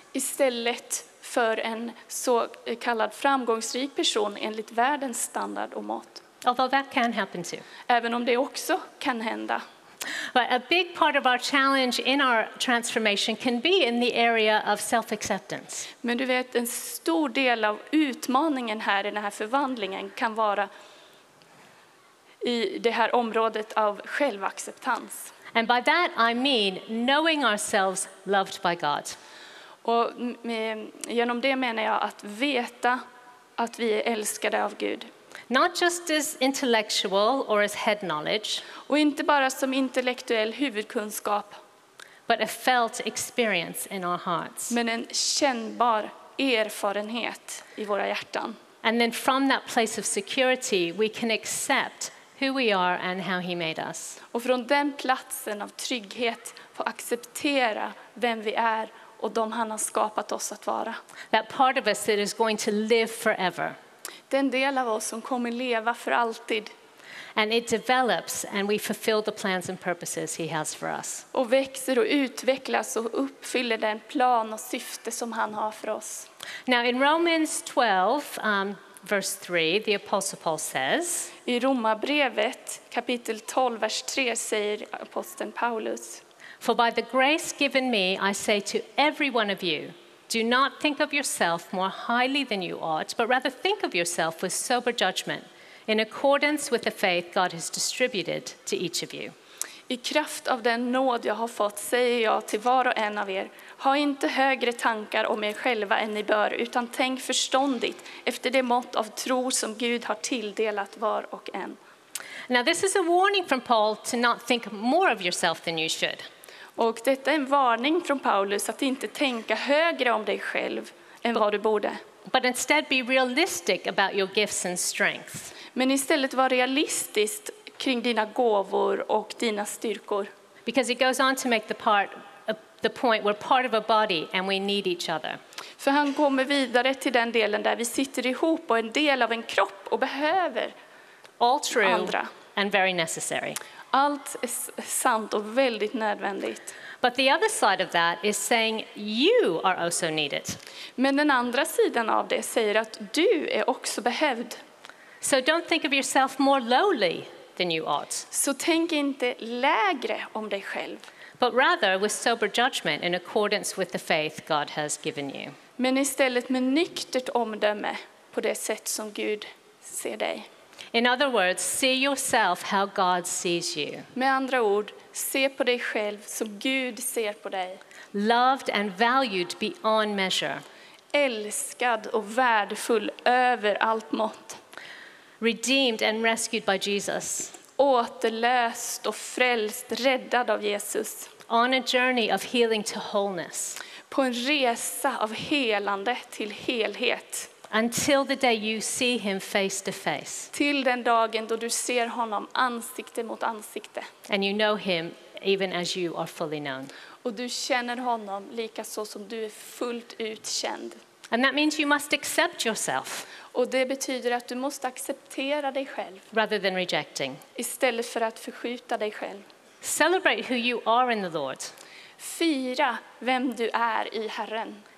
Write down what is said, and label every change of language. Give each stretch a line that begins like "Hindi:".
Swedish: Istället för en så kallad framgångsrik person enligt världens standard och mått.
English: Although that can happen too.
Swedish: Även om det också kan hända.
English: But a big part of our challenge in our transformation can be in the area of self-acceptance.
Swedish: Men du vet, en stor del av utmaningen här I den här förvandlingen kan vara I det här området av självacceptans.
English: And by that I mean knowing ourselves loved by God.
Swedish: Och genom det menar jag att veta att vi är älskade av Gud.
English: Not just as intellectual or as head knowledge.
Swedish: Och inte bara som intellektuell huvudkunskap.
English: But a felt experience in our hearts.
Swedish: Men en kännbar erfarenhet I våra hjärtan.
English: And then from that place of security we can accept who we are and how he made us.
Swedish: Och från den platsen av trygghet få acceptera vem vi är. Och de han har skapat oss att vara.
English: That part of us that is going to live forever.
Swedish: Den del av oss som kommer leva för alltid.
English: And it develops and we fulfill the plans and purposes he has for us.
Swedish: Och växer och utvecklas och uppfyller den plan och syfte som han har för oss.
English: Now in Romans 12, verse 3, the Apostle Paul says.
Swedish: I Romarbrevet kapitel 12, vers 3 säger aposteln Paulus.
English: For by the grace given me, I say to every one of you, do not think of yourself more highly than you ought, but rather think of yourself with sober judgment, in accordance with the faith God has distributed to each of you.
Swedish: I kraft av den nåd jag har fått säger jag till var och en av er, ha inte högre tankar om er själva än ni bör, utan tänk förståndigt efter det mått av tro som Gud har tilldelat var och en.
English: Now this is a warning from Paul to not think more of yourself than you should.
Swedish: Och detta är en varning från Paulus att inte tänka högre om dig själv än vad du borde.
English: But instead be realistic about your gifts and strengths.
Swedish: Men istället vara realistisk kring dina gåvor och dina styrkor.
English: Because it goes on to make the point we're part of a body and we need each other.
Swedish: För han kommer vidare till den delen där vi sitter ihop och en del av en kropp och behöver
English: all true
Swedish: andra.
English: And very necessary.
Swedish: Allt är sant och väldigt nödvändigt.
English: But the other side of that is saying you are also needed.
Swedish: Men den andra sidan av det säger att du är också behövd.
English: So don't think of yourself more lowly than you ought.
Swedish: Så tänk inte lägre om dig själv.
English: But rather with sober judgment in accordance with the faith God has given you.
Swedish: Men istället med nyktert omdöme på det sätt som Gud ser dig.
English: In other words, see yourself how God sees you.
Swedish: Med andra ord, se på dig själv som Gud ser på dig.
English: Loved and valued beyond measure.
Swedish: Älskad och värdefull över allt mått.
English: Redeemed and rescued by Jesus.
Swedish: Återlöst och frälst, räddad av Jesus.
English: On a journey of healing to wholeness.
Swedish: På en resa av helande till helhet.
English: Until the day you see him face to face.
Swedish: Till den dagen då du ser honom ansikte mot ansikte.
English: And you know him even as you are fully known.
Swedish: Och du känner honom lika så som du är fullt ut känd.
English: And that means you must accept yourself.
Swedish: Och det betyder att du måste acceptera dig själv.
English: Rather than rejecting.
Swedish: Istället för att förskjuta dig själv.
English: Celebrate who you are in the Lord.
Swedish: Fira vem du är I Herren.